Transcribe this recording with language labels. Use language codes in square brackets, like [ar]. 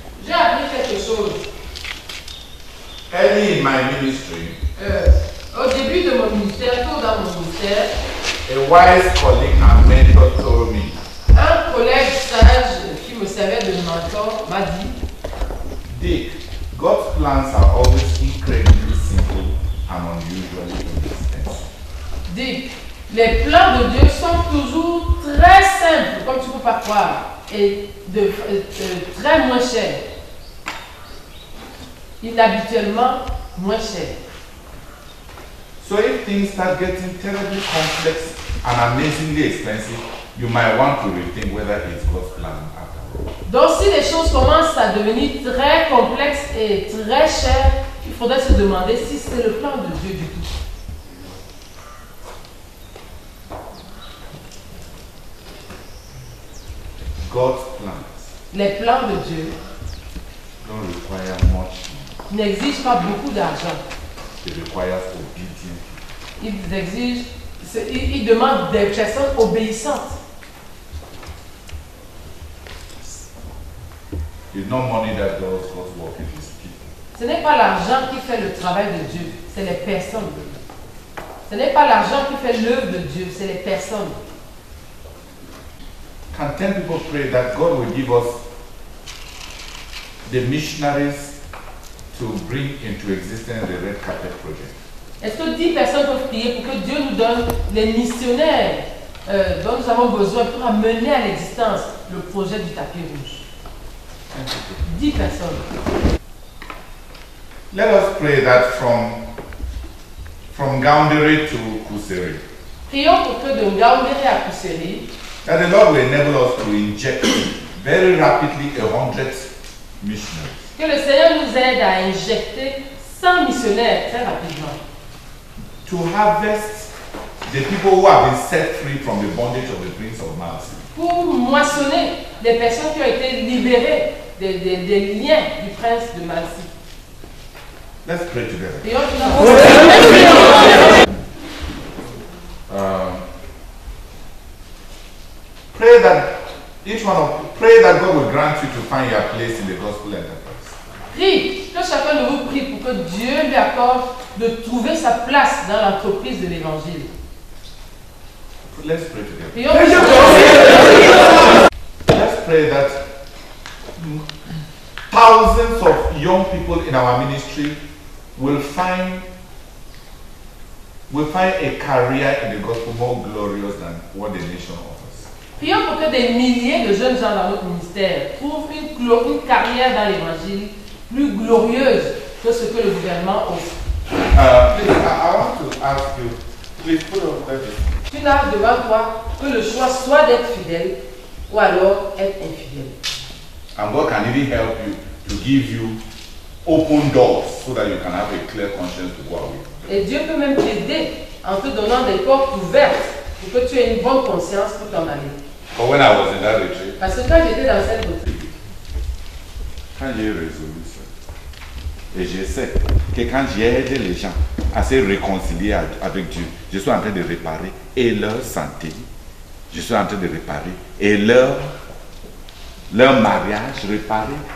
[fr] J'ai appris quelque chose. [en] Early in my ministry. [fr] Au début de mon ministère, tôt dans mon ministère, [en] a wise colleague and mentor told me. [fr] Un collègue sage qui me servait de mentor m'a dit, [en] Dick, God's plans are always incredibly simple and unusually consistent. [fr] Dick, les plans de Dieu sont toujours très simples, comme tu ne peux pas croire, et très moins chers. Inhabituellement moins chers. [en] So if things start getting terribly complex and amazingly expensive, you might want to rethink whether it's God's plan after all. [fr] Donc si les choses commencent à devenir très complexes et très chères, il faudrait se demander si c'est le plan de Dieu du tout. [en] God's plans. [fr] Les plans de Dieu. [en] Don't require much. [fr] N'exigent pas beaucoup d'argent. [en] They require obedience. [fr] Ils exigent. Ils demandent des personnes obéissantes. [en] It's not money that does God's work in His people. [fr] Ce n'est pas l'argent qui fait le travail de Dieu, c'est les personnes. Ce n'est pas l'argent qui fait l'œuvre de Dieu, c'est les personnes. [en] Can 10 people pray that God will give us the missionaries to bring into existence the red carpet project? [fr] Est-ce que 10 personnes peuvent prier pour que Dieu nous donne les missionnaires dont nous avons besoin pour amener à l'existence le projet du tapis rouge? 10 personnes. [en] Let us pray that from Ngaoundéré to Kousséré. [fr] Prions pour que de Ngaoundéré à Kousséré, [en] that the Lord will enable us to inject very rapidly 100 missionaries. [fr] Que le Seigneur nous aide à injecter 100 missionnaires très rapidement. [en] To harvest the people who have been set free from the bondage of the prince of Mars. [fr] Pour moissonner les personnes qui ont été libérées des liens du prince de Mars. [en] Let's pray together. Pray that God will grant you to find your place in the gospel enterprise. [fr] Prie que chacun de vous prie pour que Dieu lui accorde de trouver sa place dans l'entreprise de l'Évangile. [en] Let's pray together. Let's pray that thousands of young people in our ministry will find a career in the gospel more glorious than what the nation offers. [fr] Prions pour que des milliers de jeunes gens dans notre ministère trouvent une carrière dans l'Évangile plus glorieuse que ce que le gouvernement offre. [en] I want to ask you, please put on the [fr] tu n'as devant toi que le choix soit d'être fidèle ou alors être infidèle. [en] And God can even help you to give you open doors so that you can have a clear conscience to go away. [fr] Et Dieu peut même t'aider en te donnant des portes ouvertes pour que tu aies une bonne conscience pour t'en aller. [en] But when I was in that retreat, [fr] parce que quand j'étais dans cette retreat, quand j'ai résolu ça, et je sais que quand j'ai aidé les gens à se réconcilier avec Dieu, je suis en train de réparer et leur santé, je suis en train de réparer et leur mariage réparé.